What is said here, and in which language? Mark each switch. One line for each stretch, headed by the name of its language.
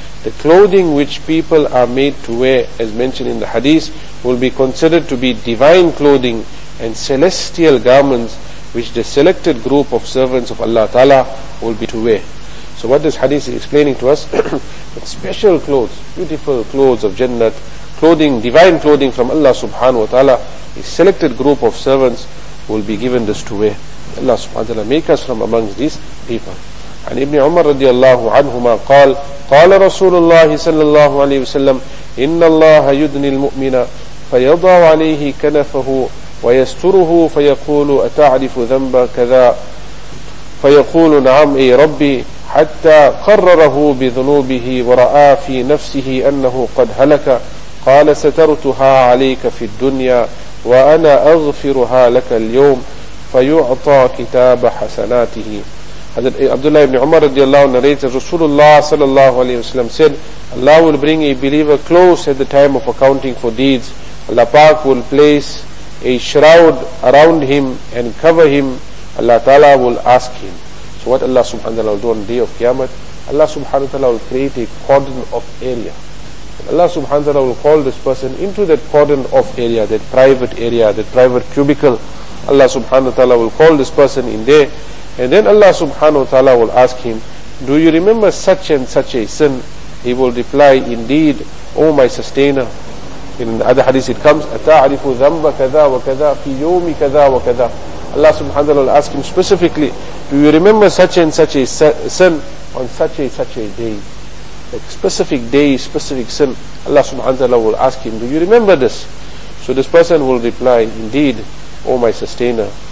English: The clothing which people are made to wear, as mentioned in the hadith, will be considered to be divine clothing and celestial garments which the selected group of servants of Allah Ta'ala will be to wear. So what this hadith is explaining to us, that special clothes, beautiful clothes of Jannat, clothing, divine clothing from Allah Subhanahu Wa Ta'ala, a selected group of servants will be given this to wear. Allah Subhanahu Wa Ta'ala make us from amongst these people.
Arabic: And Ibn Umar radiallahu anhuma qal, qala Rasulullah sallallahu alayhi wa sallam, inna Allah yudni al-mu'mina, fayadaw alayhi kanafahu, وَيَسْتُرُهُ فَيَقُولُ أَتَعْرِفُ ذَنْبَ كَذَا فَيَقُولُ نَعَمْ أَيْ رَبِّ حَتَّى قَرَّرَهُ بِذُنُوبِهِ وَرَآ فِي نَفْسِهِ أَنَّهُ قَدْ هَلَكَ قَالَ سَتَرْتُهَا عَلَيْكَ فِي الدُّنْيَا وَأَنَا أَغْفِرُهَا لَكَ الْيَوْمِ فَيُعْطَى كِتَابَ حَسَنَاتِهِ.
English: Hazrat Abdullah ibn Umar radiallahu anhu narrates that Rasulullah sallallahu alayhi wa sallam said, Allah will bring a believer close at the time of accounting for deeds. Allah Pak will place a shroud around him and cover him. Allah Ta'ala will ask him. So what Allah Subhanahu Wa Ta'ala will do on the day of Qiyamah? Allah Subhanahu Wa Ta'ala will create a cordon of area. Allah Subhanahu Wa Ta'ala will call this person into that cordon of area, that private cubicle. Allah Subhanahu Wa Ta'ala will call this person in there. And then Allah Subhanahu Wa Ta'ala will ask him, do you remember such and such a sin? He will reply, indeed, O my sustainer. In the other hadith it comes,
Arabic: أَتَعْرِفُ ذَنْبَ كَذَا وَكَذَا فِي يَوْمِ كَذَا وَكَذَا.
English: Allah subhanahu wa ta'ala will ask him specifically, do you remember such and such a sin on such a day? Like specific day, specific sin. Allah subhanahu wa ta'ala will ask him, do you remember this? So this person will reply, indeed, O my sustainer.